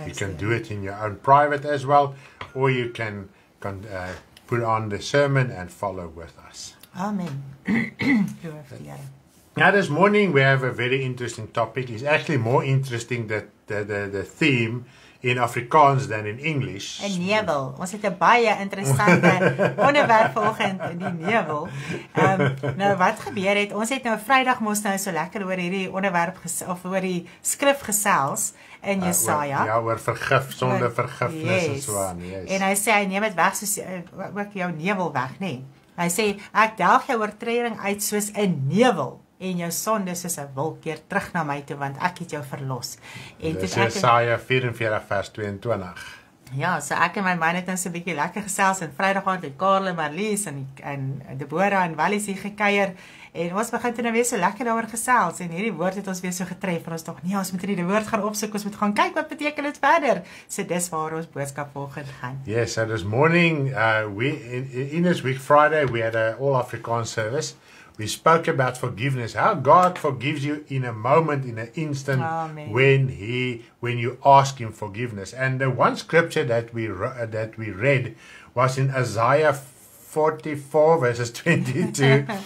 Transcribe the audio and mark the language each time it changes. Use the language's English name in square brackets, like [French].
[English] You can do it in your own private as well, or you can put on the sermon and follow with us. Amen. Now this morning we have a very interesting topic. It's actually more interesting that the theme in Afrikaans than in English. In Newel. [Afrikaans] Ons het 'n baie interessante onderwerp vanoggend in die Newel. Nou wat gebeur het? Ons het nou Vrydag mos nou so lekker oor hierdie onderwerp of oor die skrif gesels in Jesaja. Ja, oor vergif, sonde vergifnis en so aan. Yes. En hy sê hy neem dit weg soos ook jou nevel weg, nê? Hy sê ek delg jou oortreding uit soos 'n nevel. En jou sonde is 'n wolk keer terug na my toe, want ek het jou verlos. En dit is Jesaja 44 vers 22. Ja, so ek en my man het ons 'n bietjie lekker gesels en Vrydag aand het Karel en Marlies en Deborah en Wally se gekuier en ons begin toe nou weer so lekker daaroor gesels en hierdie woord het ons weer so getref en ons dink nee, ons moet hierdie woord gaan opsoek, ons moet gaan kyk wat beteken dit verder. So dis waar ons boodskap volgend gaan. [English] Yes, so this morning we in this week Friday we had a all Afrikaans service. We spoke about forgiveness, how God forgives you in a moment, in an instant, amen. when you ask Him forgiveness. And the one scripture that we read was in Isaiah 44 verses 22.